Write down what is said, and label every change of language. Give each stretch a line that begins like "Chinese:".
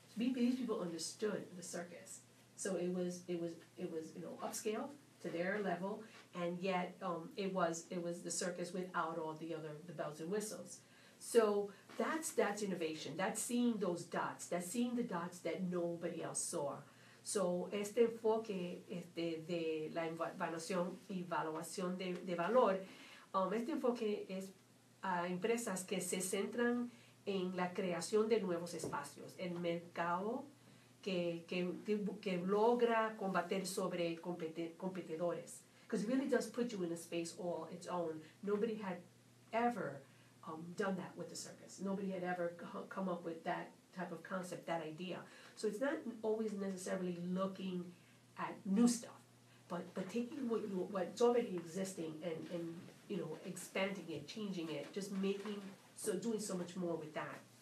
English: So these people understood the circus. So it was you know, upscale to their level, and yet it was the circus without all the other bells and whistles. So that's innovation. That's seeing those dots. That's seeing the dots that nobody else saw. So
Spanish: este enfoque de la evaluación y evaluación de valor, este enfoque es a empresas que se centran en la creación de nuevos espacios, el mercado que logra combater sobre competidores.
English: Because it really does put you in a space all its own. Nobody had ever done that with the circus. Nobody had ever come up with that type of concept, that idea. So it's not always necessarily looking at new stuff, but taking what's already existing and you know, expanding it, changing it, just making, so doing so much more with that.